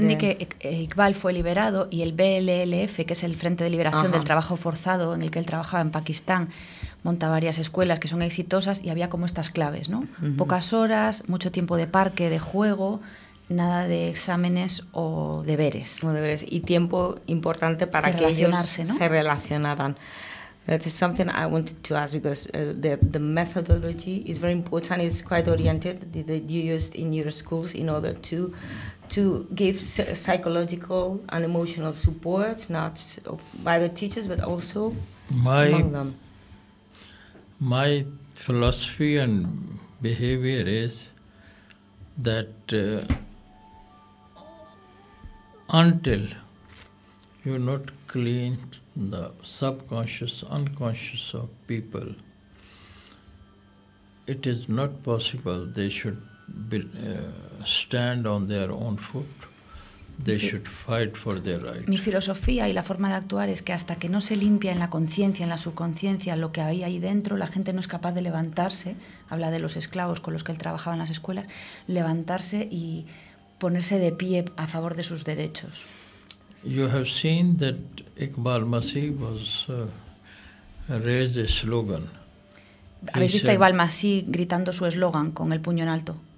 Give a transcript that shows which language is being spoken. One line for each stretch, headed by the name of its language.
Spanish: Yo entendí que Iqbal fue liberado y el BLLF, que es el Frente de Liberación del Trabajo Forzado, en el que él trabajaba en Pakistán, monta varias escuelas que son exitosas y había como estas claves, ¿no? Uh-huh. Pocas horas, mucho tiempo de parque, de juego, nada de exámenes o deberes. O deberes. Y tiempo importante para que ellos, ¿no?, se relacionaran.
English: That is something I wanted to ask because the methodology is very important. It's quite oriented that you used in your schools in order to give psychological and emotional support, not by the teachers but also among them. My philosophy and behavior is that until you're not clean the subconscious, unconscious of people, it is not possible they should stand on their own foot. They should fight for their rights.
Spanish: Mi filosofía y la forma de actuar es que hasta que no se limpia en la conciencia, en la subconsciencia, lo que hay ahí dentro, la gente no es capaz de levantarse, habla de los esclavos con los que él trabajaba en las escuelas, levantarse y ponerse de pie a favor de sus derechos.
English: You have seen that Iqbal Masih was raised a slogan.
Spanish: ¿Habéis visto a Iqbal Masih gritando su eslogan con el puño en alto?